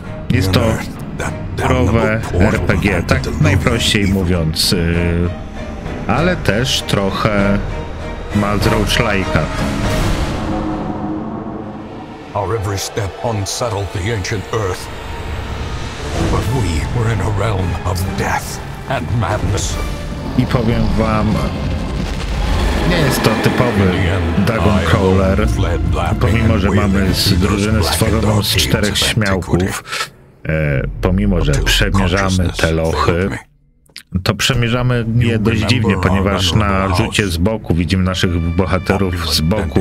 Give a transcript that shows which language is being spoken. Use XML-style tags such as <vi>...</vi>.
<pl>Jest to growe RPG, tak najprościej mówiąc, ale też trochę ma zroach-like'a.</pl> <en>Our every step unsettled the ancient earth. But we were in a realm of death and madness.</en> <pl>I powiem wam, nie jest to typowy Dungeon Crawler. Pomimo, że mamy z drużyny stworzoną z czterech śmiałków, pomimo, że przemierzamy te lochy, to przemierzamy je dość dziwnie, ponieważ na rzucie z boku widzimy naszych bohaterów z boku.</pl>